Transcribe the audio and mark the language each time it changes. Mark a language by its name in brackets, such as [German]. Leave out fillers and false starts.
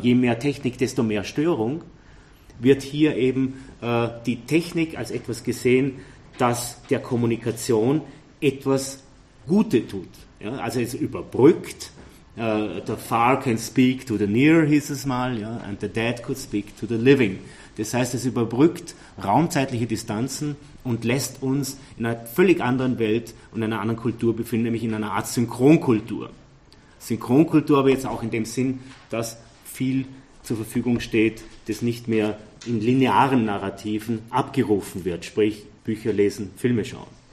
[German] Je mehr Technik, desto mehr Störung, wird hier eben die Technik als etwas gesehen, das der Kommunikation etwas Gute tut. Ja, also es überbrückt. [English] The far can speak to the near, [German] hieß es mal, ja, [English] and the dead could speak to the living. [German] Das heißt, es überbrückt raumzeitliche Distanzen und lässt uns in einer völlig anderen Welt und einer anderen Kultur befinden, nämlich in einer Art Synchronkultur. Synchronkultur aber jetzt auch in dem Sinn, dass viel zur Verfügung steht, das nicht mehr in linearen Narrativen abgerufen wird, sprich Bücher lesen, Filme schauen.